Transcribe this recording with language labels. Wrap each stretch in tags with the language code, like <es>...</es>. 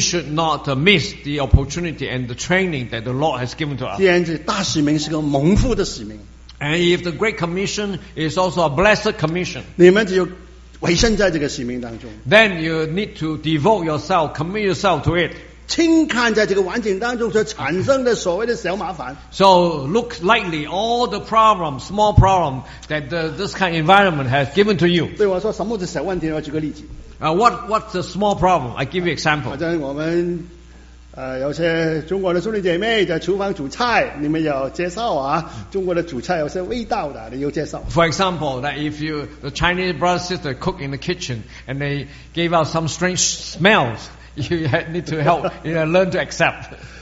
<en>should not miss the opportunity and the training that the Lord has given to us.</en> <zh>既然大使命是个蒙福的使命。And</zh> <en>if the Great Commission is also a blessed commission,</en> <zh>你们只有委身在这个使命当中。Then</zh> <en>you need to devote yourself, commit yourself to it.</en> <zh>轻看在这个环境当中所产生的所谓的小麻烦。So</zh> <en>look lightly all the problems, small problems that this kind of environment has given to you.</en> <zh>对我说什么是小问题，我举个例子。</zh> <en>What's the small problem? I give you example.</en> <zh>好像我们有些中国的兄弟姐妹在厨房煮菜，你们要介绍啊，中国的煮菜有些味道的，你要介绍。For</zh> <en>example, that if you the Chinese brother sister cook in the kitchen and they gave out some strange smells, you need to help, you know, learn to accept.</en>